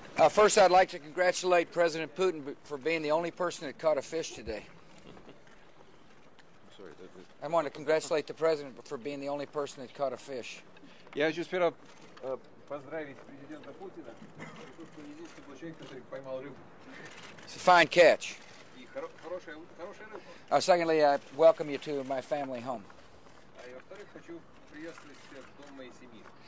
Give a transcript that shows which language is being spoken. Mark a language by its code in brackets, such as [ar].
[en] First, I'd like to congratulate President Putin for being the only person that caught a fish today. I want to congratulate the president for being the only person that caught a fish. [ru] Я хочу сперва поздравить президента Путина, потому что единственный случай, который поймал рыбу. [en] It's a fine catch. [ru] И хорошая рыба. [en] Secondly, I welcome you to my family home. [ru] И во-вторых, хочу приветствовать тебя в дом моей семьи.